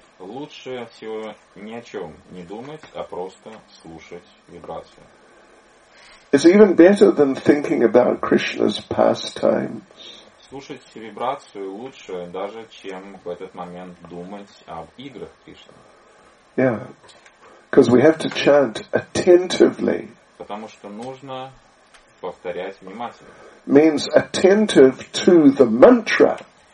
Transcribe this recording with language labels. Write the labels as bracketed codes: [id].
[ru] Лучше всего ни о чем не думать, а просто слушать вибрацию. [en] It's even better than thinking about Krishna's pastimes. [ru] Слушать вибрацию лучше даже, чем в этот момент думать об играх Кришны. [en] Yeah, because we have to chant attentively. [ru] Потому что нужно повторять внимательно. [en] Means attentive to the mantra.